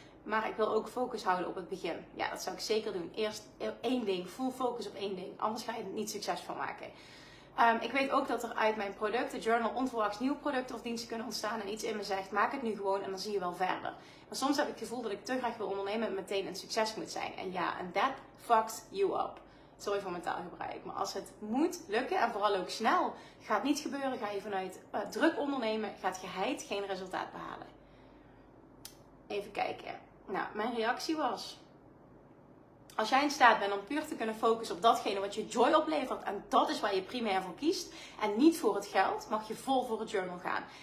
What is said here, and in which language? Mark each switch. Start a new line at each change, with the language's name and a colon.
Dutch: Maar ik wil ook focus houden op het begin. Ja, dat zou ik zeker doen. Eerst één ding. Full focus op één ding. Anders ga je het niet succesvol maken. Ik weet ook dat er uit mijn product, de journal, onverwachts nieuwe producten of diensten kunnen ontstaan. En iets in me zegt, maak het nu gewoon en dan zie je wel verder. Maar soms heb ik het gevoel dat ik te graag wil ondernemen en meteen een succes moet zijn. En ja,
English: and that fucks you up.
Dutch: Sorry voor mijn taalgebruik, maar als het moet lukken en vooral ook snel, gaat niet gebeuren, ga je vanuit druk ondernemen, gaat geheid geen resultaat behalen. Even kijken. Nou, mijn reactie was, als jij in staat bent om puur te kunnen focussen op datgene wat je joy oplevert en dat is waar je primair voor kiest en niet voor het geld, mag je vol voor het journal gaan.